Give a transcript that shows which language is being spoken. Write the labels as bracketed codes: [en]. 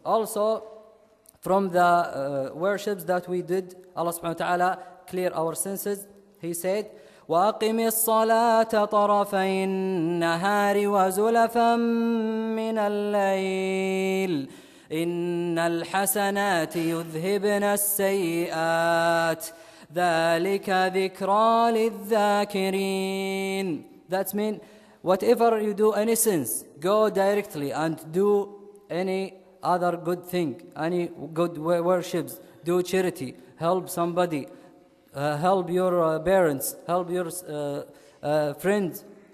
[en] Also from the worships that we did, Allah subhanahu wa ta'ala clear our senses. He said [ar] وأقم الصلاة طرفي النهار وزلفا من الليل إن الحسنات يذهبن السيئات ذلك ذكرى للذاكرين. [en] That means whatever you do any sins, go directly and do any other good thing, any good worships, do charity, help somebody. Help your parents, help your friends.